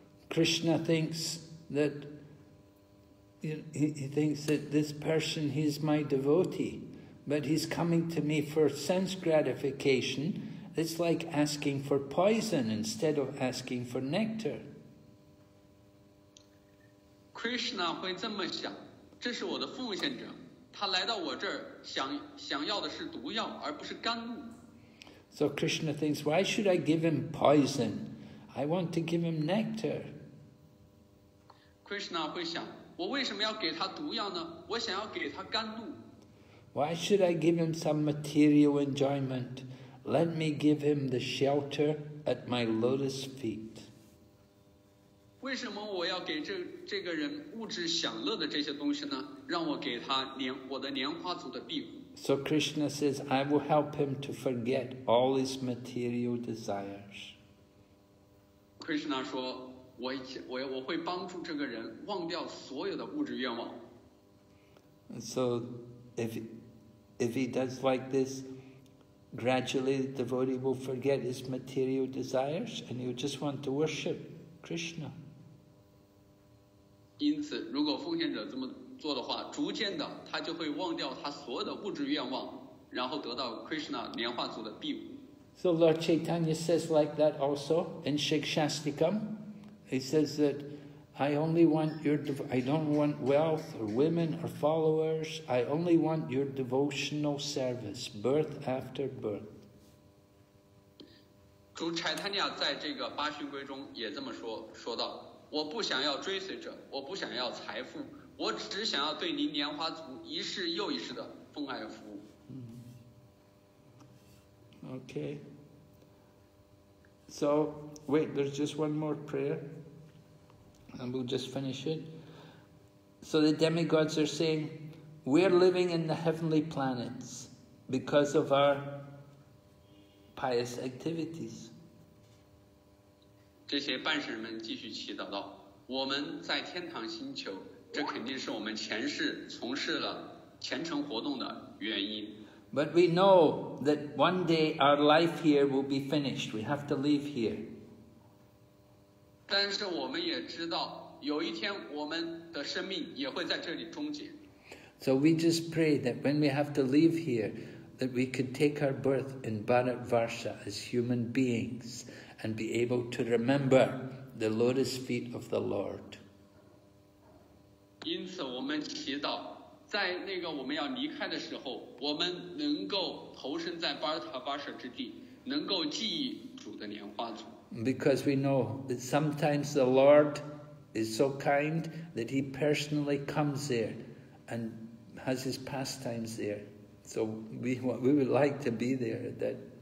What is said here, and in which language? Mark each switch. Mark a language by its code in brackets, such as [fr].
[en] Krishna thinks that he thinks that this person, he's my devotee, but he's coming to me for sense gratification. It's like asking for poison instead of asking for nectar. [zh] Krishna 会这么想，这是我的奉献者，他来到我这儿想要的是毒药而不是甘露。 [en] So Krishna thinks, why should I give him poison? I want to give him nectar. [zh] Krishna 会想，我为什么要给他毒药呢？我想要给他甘露。 [en] Why should I give him some material enjoyment? Let me give him the shelter at my lotus feet. [zh] 为什么我要给这个人物质享乐的这些东西呢？让我给他我的莲花足的庇护。 [en] So Krishna says, I will help him to forget all his material desires. [zh] Krishna 说，我会帮助这个人忘掉所有的物质愿望。 [en] So if he does like this, gradually the devotee will forget his material desires and he will just want to worship Krishna. [zh] 因此，如果奉献者这么做的话，逐渐的他就会忘掉他所有的物质愿望，然后得到 Krishna 莲花足的庇护。 [en] So Lord Chaitanya says like that also in Shikshastikam. He says that I only want your I don't want wealth or women or followers. I only want your devotional service, birth after birth. [zh] 主 Chaitanya 在这个八旬归中也这么说，说道：我不想要追随者，我不想要财富。我只想要对您莲花族一世又一世的奉爱服务。 [en] Okay. So, wait, there's just one more prayer. And we'll just finish it. So the demigods are saying, we're living in the heavenly planets because of our pious activities. [zh] 这些半神们继续祈祷道，我们在天堂星球，这肯定是我们前世从事了虔诚活动的原因。 [en] But we know that one day our life here will be finished. We have to leave here. [zh] 但是我们也知道，有一天我们的生命也会在这里终结。 [en] So we just pray that when we have to leave here, that we could take our birth in Bharatvarsha as human beings and be able to remember the lotus feet of the Lord. [zh] 因此我们祈祷，在那个我们要离开的时候，我们能够投身在巴尔塔巴舍之地，能够记忆主的莲花足。 [en] Because we know that sometimes the Lord is so kind that he personally comes there and has his pastimes there. So we would like to be there at that.